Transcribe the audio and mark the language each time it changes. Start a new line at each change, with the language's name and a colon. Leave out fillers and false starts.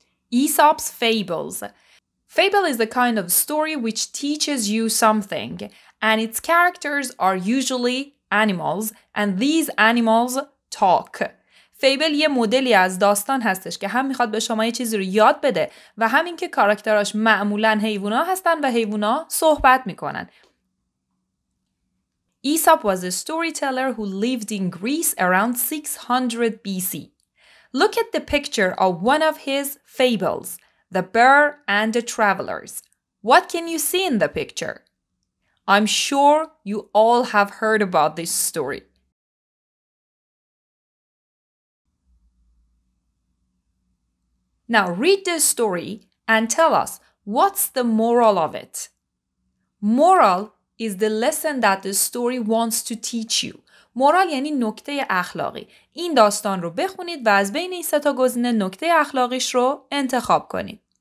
English: Aesop's Fables. Fable is the kind of story which teaches you something, and its characters are usually animals, and these animals talk.
Persian: فیبل یه مدلی از داستان هستش که هم میخواد به شما یه چیزی رو یاد بده و هم این که کاراکتراش معمولاً حیوانا هستن و حیوانا صحبت میکنن.
English: Aesop was a storyteller who lived in Greece around 600 BC. Look at the picture of one of his fables, The Bear and the Travelers. What can you see in the picture? I'm sure you all have heard about this story. Now read this story and tell us, what's the moral of it? Moral is the lesson that the story wants to teach you.
Persian: Moral یعنی نکته اخلاقی. این داستان رو بخونید و از بین این سه تا گزینه نکته اخلاقیش رو انتخاب کنید.